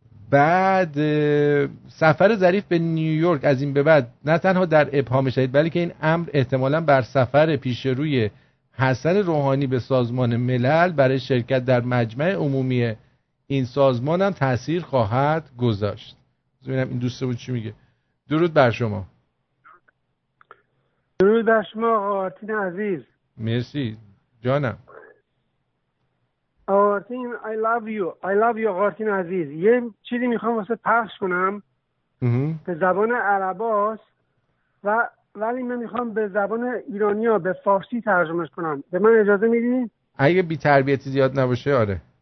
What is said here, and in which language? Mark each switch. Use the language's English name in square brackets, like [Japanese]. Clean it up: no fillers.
[Persian] بعد سفر ظریف به نیویورک از این به بعد نه تنها در ابهام شدید، بلکه این امر احتمالاً بر سفر پیش روی حسن روحانی به سازمان ملل برای شرکت در مجمع عمومی این سازمان هم تأثیر خواهد گذاشت. ببینم این دوستمون چی میگه. درود بر شما. درود بر شما آقا آرتین عزیز. مرسی جانم. [English] آرتین I love you. I love you آرتین عزیز. [Persian] یه چیزی میخوام واسه پخش کنم به زبان عرباست و ولی من میخوام به زبان ایرانی ها به فارسی ترجمهش کنم. به من اجازه میدی؟ اگه بی تربیتی زیاد نباشه. آره